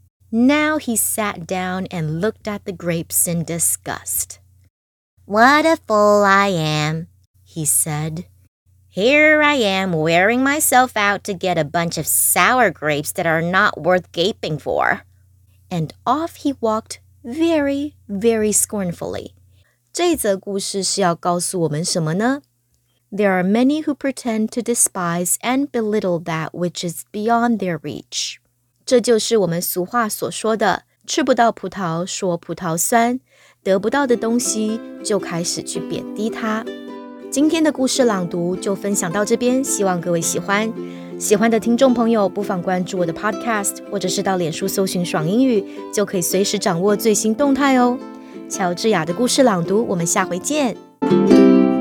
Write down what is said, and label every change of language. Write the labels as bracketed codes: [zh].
[en] Now he sat down and looked at the grapes in disgust. What a fool I am, he said. Here I am wearing myself out to get a bunch of sour grapes that are not worth gaping for. And off he walked very, very scornfully. [zh] 这则故事是要告诉我们什么呢? [en] There are many who pretend to despise and belittle that which is beyond their reach. [zh] 这就是我们俗话所说的,吃不到葡萄说葡萄酸,得不到的东西就开始去贬低它。今天的故事朗读就分享到这边，希望各位喜欢。喜欢的听众朋友不妨关注我的 podcast， 或者是到脸书搜寻爽英语，就可以随时掌握最新动态哦。乔治亚的故事朗读，我们下回见。